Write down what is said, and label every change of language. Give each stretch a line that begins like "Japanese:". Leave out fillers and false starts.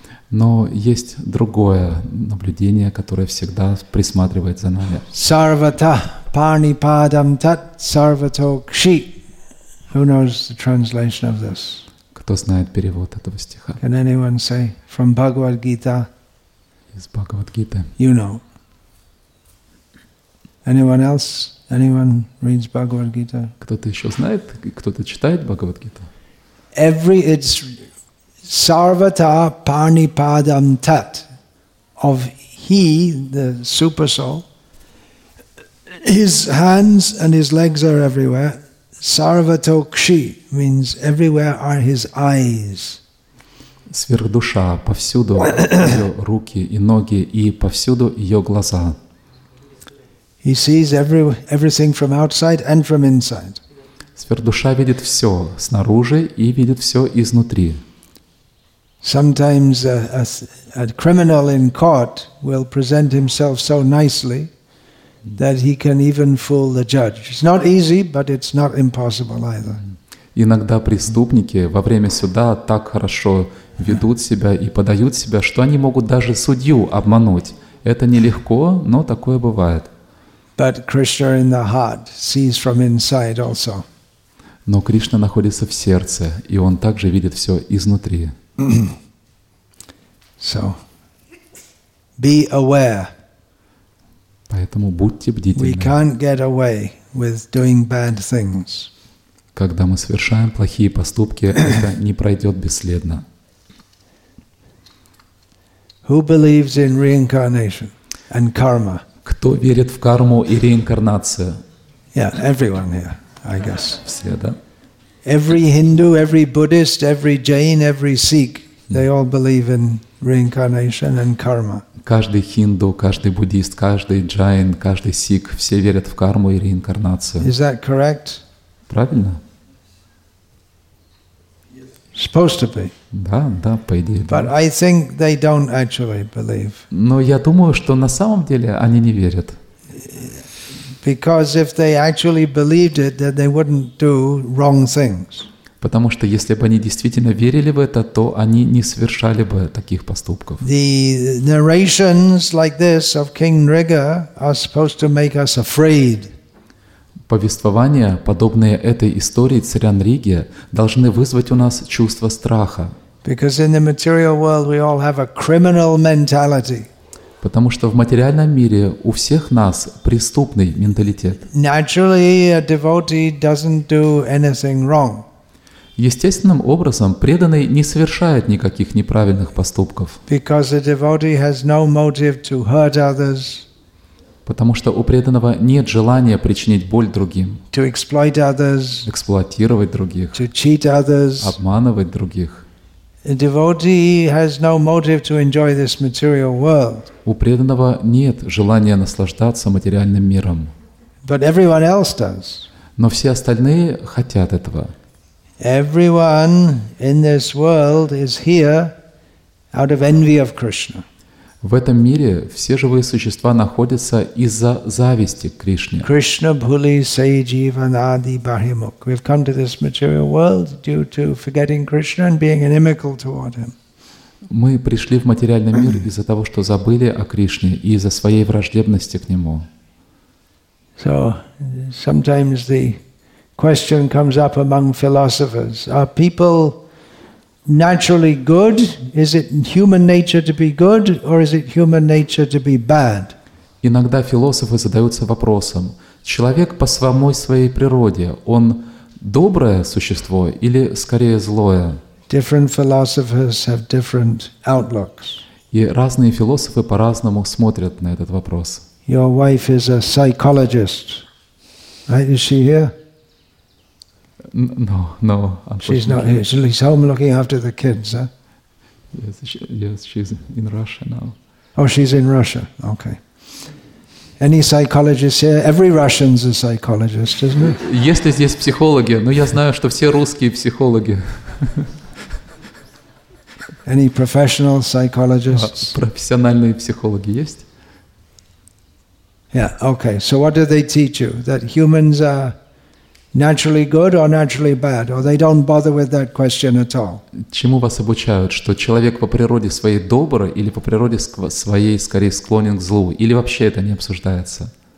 Russian: Но есть другое наблюдение, которое всегда присматривает за нами.
Sanskrit: Sarvata parnipadam tat sarvato kshi.
English: Who knows the translation of this?
Russian: Кто знает перевод этого стиха?
English: Can anyone say from Bhagavad Gita?
Russian: Из Бхагавад Гиты.
English: You know. Anyone else? Anyone reads Bhagavad Gita?
Russian: Кто-то еще знает? Кто-то читает Бхагавад Гиту?
English: It's
Sanskrit: sarvata parnipadam tat
English: of he, the super soul. His hands and his legs are everywhere.
Sanskrit: Sarvato kshi
English: means everywhere are his eyes.
Russian: Сверхдуша повсюду ее руки и ноги и повсюду ее глаза.
English: He sees everything from outside and from inside.
Russian: Сверхдуша видит все снаружи и видит все изнутри.
English: Sometimes a criminal in court will present himself so nicely that he can even fool the judge. It's not easy, but it's not impossible either.
Russian: Иногда преступники во время суда так хорошо ведут себя и подают себя, что они могут даже судью обмануть. Это нелегко, но такое бывает.
English: But Krishna in the heart sees from inside also.
Russian: Но Кришна находится в сердце, и он также видит все изнутри.
English: So, be aware.
Russian: Поэтому будьте бдительны.
English: We can't get away with doing bad things.
Russian: Когда мы совершаем плохие поступки, это не пройдет бесследно.
English: Who believes in reincarnation and karma?
Russian: Кто верит в карму и реинкарнацию?
English: Yeah, everyone here, I guess.
Russian: Все, да?
English: Every Hindu, every Buddhist, every Jain, every Sikh, they all believe in reincarnation and karma.
Russian: Каждый хинду, каждый буддист, каждый джайн, каждый сикх — все верят в карму и реинкарнацию.
English: Is that correct?
Russian: Правильно?
English: Yes. Supposed to be.
Russian: Да, да, по идее.
English: But
Russian: да.
English: I think they don't actually believe.
Russian: Но я думаю, что на самом деле они не верят.
English: Because if they actually believed it, then they wouldn't do wrong things.
Russian: Потому что если бы они действительно верили в это, то они не совершали бы таких поступков.
English: The narrations like this of King Nriga are supposed to make us afraid.
Russian: Повествования, подобные этой истории царя Нриги, должны вызвать у нас чувство страха.
English: Because in the material world we all have a criminal mentality.
Russian: Потому что в материальном мире у всех нас преступный менталитет.
English: Naturally, a devotee doesn't do anything wrong.
Russian: Естественным образом преданный не совершает никаких неправильных поступков.
English: Because a devotee has no motive to hurt others.
Russian: Потому что у преданного нет желания причинить боль другим.
English: To exploit others.
Russian: Эксплуатировать других.
English: To cheat others.
Russian: Обманывать других.
English: A devotee has no motive to enjoy this material world.
Russian: У преданного нет желания наслаждаться материальным миром.
English: But everyone else does.
Russian: Но все остальные хотят этого.
English: Everyone in this world is here out of envy of Krishna.
Russian: В этом мире все живые существа находятся из-за зависти к Кришне.
Bangla: Krishna bhuli sajiva nadi bahimuk.
English: We've come to this material world due to forgetting Krishna and being inimical toward him.
Russian: Мы пришли в материальный мир из-за того, что забыли о Кришне и из-за своей враждебности к Нему.
English: So sometimes the question comes up among philosophers: Are people naturally good? Is it human nature to be good, or is it human nature to be bad?
Russian: Иногда философы задаются вопросом: человек по самой своей природе, он доброе существо или скорее злое?
English: Different philosophers have different outlooks.
Russian: И разные философы по-разному смотрят на этот вопрос.
English: Your wife is a psychologist, right? Is she here? No. She's not here. She's home looking after the kids, huh? Yes, she's in Russia now. Oh, she's in Russia. Okay. Any psychologists here? Every Russian's a psychologist, isn't it?
Russian: Если здесь психологи, но я знаю, что все русские психологи.
English: Any professional psychologists?
Russian: Профессиональные психологи есть?
English: Yeah, okay. So what do they teach you? That humans are naturally good or naturally bad? Or they don't bother with that question at all?
Russian: Чему вас обучают? Что человек по природе своей добр или по природе своей скорее склонен к злу? Или вообще это не обсуждается?